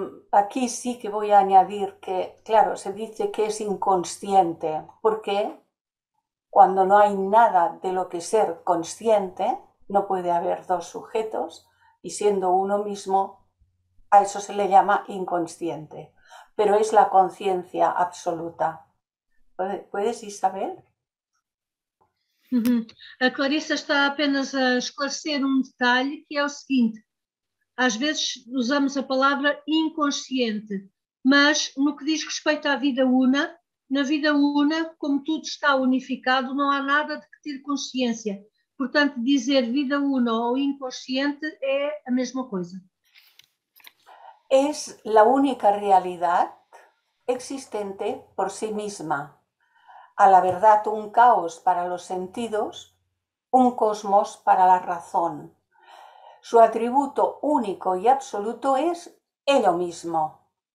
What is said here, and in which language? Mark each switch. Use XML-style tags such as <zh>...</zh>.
<es>Aquí sí que voy a añadir que, claro, se dice que es inconsciente, porque cuando no hay nada de lo que ser consciente, no puede haber dos sujetos y siendo uno mismo, a eso se le llama inconsciente, pero es la conciencia absoluta. ¿Puedes, Isabel?</es> <pt>A Clarissa está apenas a esclarecer um detalhe, que é o seguinte: às vezes usamos a palavra inconsciente, mas no que diz respeito à vida una, na vida una, como tudo está unificado, não há nada de que ter consciência. Portanto, dizer vida una ou inconsciente é a mesma coisa.</pt> <es>Es la única realidad existente por sí misma. A la verdad, un caos para los sentidos, un cosmos para la razón. Su atributo único y absoluto es ello mismo.</es>